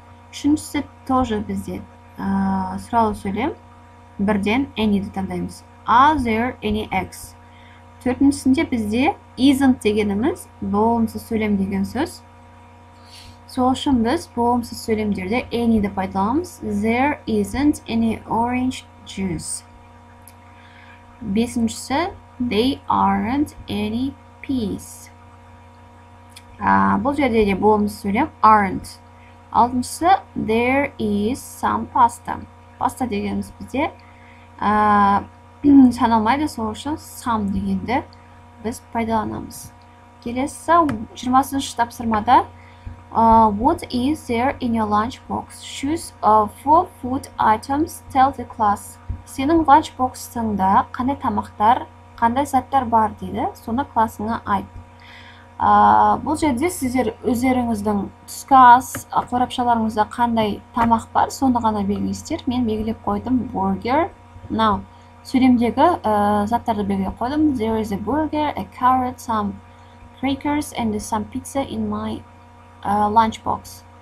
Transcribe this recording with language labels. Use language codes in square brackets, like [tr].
[kk] Үшіншісі тоже бізде сұраулы сөйлем, бірден any-ді таңдаймыз. [en] Are there any eggs? [kk] Төртіншісінде бізде isn't дегеніміз болымсыз сөйлем деген сөз. Сол үшін біз болымсыз сөйлемдерде any-ді пайдаланамыз. [en] There isn't any orange juice. [kk] Бесіншісі [en] they aren't any peas. [kk] Бұл жерде де болымсыз сөйлем aren't. Алтыншысы, [en] there is some pasta. [kk] Паста дегеніміз бізде саналмайды, сол үшін some дегенді біз пайдаланамыз. Келесі, 20-ші тапсырмада, [en] what is there in your lunch box? Choose four food items, tell the class. [kk] Сенің lunch box-ыңда қандай тамақтар, қандай заттар бар дейді, соны класыңа айт. Бұл жерде сіздер өздеріңіздің түскі ас, қорапшаларыңызда қандай тамақ бар, соны ғана белгілейсіздер. Мен белгілеп қойдым burger. [en] Now, [kk] сөйлемдегі заттарды белгілеп қойдым. [en] There is a burger, a carrot, some crackers and some pizza in my lunch box.